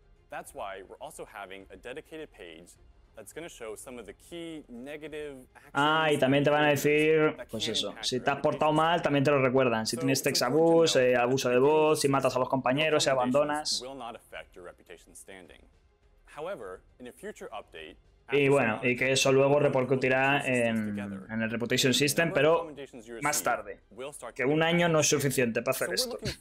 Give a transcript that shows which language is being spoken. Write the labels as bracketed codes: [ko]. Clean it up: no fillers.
[en] That's why we're also having a dedicated page that's going to show some of the key negative actions. [es] Ah, y también te van a decir, pues eso, si te has portado mal, también te lo recuerdan. Si tienes text abuse, abuso de voz, si matas a los compañeros, si abandonas. [en] Will not affect your reputation standing. However, in a future update, [es] Y bueno, y que eso luego repercutirá en el Reputation System, pero más tarde. Que un año no es suficiente para hacer esto.